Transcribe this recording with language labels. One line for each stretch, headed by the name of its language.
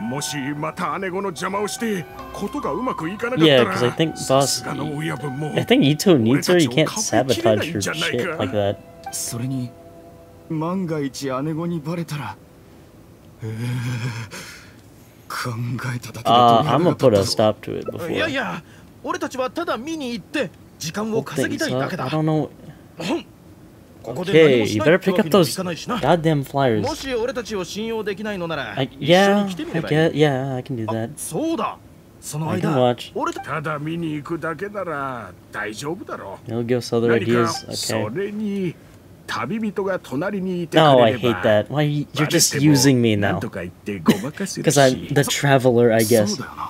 Japanese: もしまた姉子の邪魔をしてことがうまくいかなかったら、
English: Yeah, because I think boss, I think Ito needs her. You can't sabotage her shit like that.
Japanese: それに、万が一姉子にバレたら、
English: I'm gonna put a stop to it before. Yeah, yeah.
Japanese: 俺たちはただ見に行って時間を稼ぎたいだけだ。
English: I don't know. Okay, you better pick up those goddamn flyers.
Japanese: もし俺たちを信用できないのなら、
English: yeah, I guess, yeah, I can do that.
Japanese: そうだ。その間、
English: I can watch.
Japanese: ただ見に行くだけなら大丈夫だろう。
English: He'll give us other ideas. Okay.
Japanese: それに旅人が隣にいて、
English: oh, I hate that. Why you're just using me now? Because I'm the traveler, I guess.